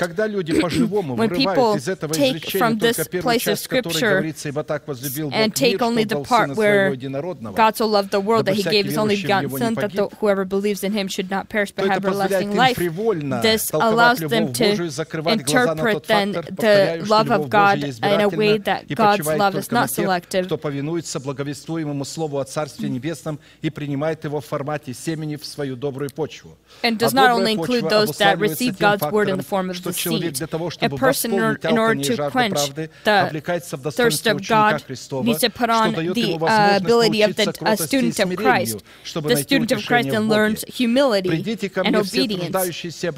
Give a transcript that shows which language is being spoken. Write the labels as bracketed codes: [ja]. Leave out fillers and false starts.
[en] When people take from this place of Scripture and take only the part where God so loved the world that he gave his only begotten Son, that whoever believes in him should not perish but have everlasting life, this allows them to interpret then the love of God in a way that God's love is not selective. [ru] Кто повинуется благовествуемому слову о Царстве Небесном и принимает его в формате семени в свою добрую почву. [en] And does not only include those that receive God's word in the form of the seed. A person, in order to quench the thirst of God, needs to put on the ability of a student of Christ. The student of Christ then learns humility and obedience.